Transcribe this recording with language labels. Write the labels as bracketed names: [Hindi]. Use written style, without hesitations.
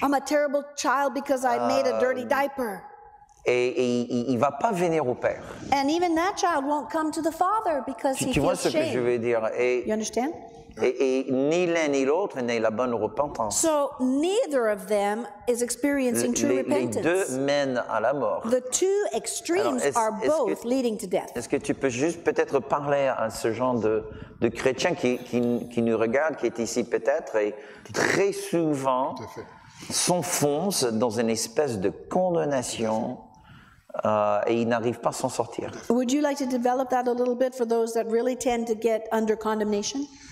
[English] I'm a terrible child because I made a dirty diaper. [French] Et il va pas venir au père. [English] And even that child won't come to the father because [French] tu [English] he feels shame. [French] Tu vois ce que je veux dire? [English] You understand? [French] Et ni l'un ni l'autre n'est la bonne repentance. [English] So neither of them is experiencing true repentance. [French] Les deux mènent à la mort. [English] The two extremes are both leading to death. [French] Est-ce que tu peux juste peut-être parler à ce genre de chrétien qui nous regarde, qui est ici peut-être et très souvent s'enfonce dans une espèce de condamnation. Et il n'arrive pas à s'en sortir. [English] Would you like to develop that a little bit for those that really tend to get under condemnation?